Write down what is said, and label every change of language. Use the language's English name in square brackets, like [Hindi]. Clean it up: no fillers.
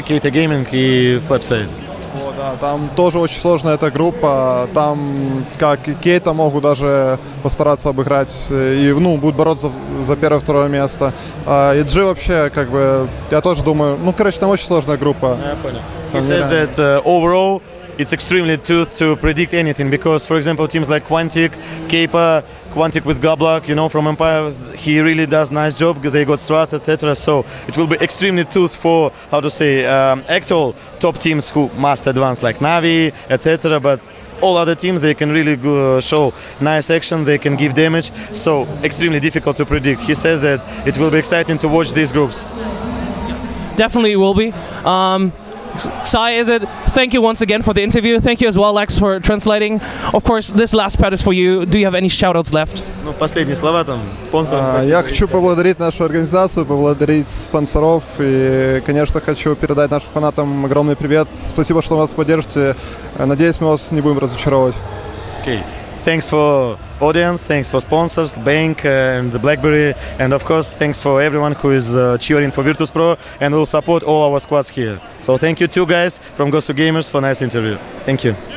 [Russian] Keita Gaming и Flipside. О, да, там тоже очень сложная эта группа. Там как и Кейта могут даже постараться обыграть и будут бороться за первое и второе место. И G вообще, как бы, я тоже думаю, там очень сложная группа. Я понял. [English] He says that overall it's extremely tough to predict anything, because for example teams like Quantic, Keita, Quantic with Gablak, from Empire, he really does nice job, they got Strat, etc. So it will be extremely tough for actual top teams who must advance, like Na'Vi, etc. But all other teams, they can really show nice action, they can give damage, so extremely difficult to predict. He says that it will be exciting to watch these groups. Definitely it will be. Sai, is it? Thank you once again for the interview. Thank you as well, Lex, for translating. Of course, this last part is for you. Do you have any shout-outs left? [Russian] Последние слова там спонсорам. Я хочу поблагодарить нашу организацию, поблагодарить спонсоров и, конечно, хочу передать нашим фанатам огромный привет. Спасибо, что вас поддержите. Надеюсь, мы вас не будем разочаровывать. [English] Okay. Thanks for audience, thanks for sponsors, Bank and BlackBerry, and of course thanks for everyone who is cheering for Virtus.pro and will support all our squads here. So thank you too, guys, from GosuGamers, for nice interview. Thank you.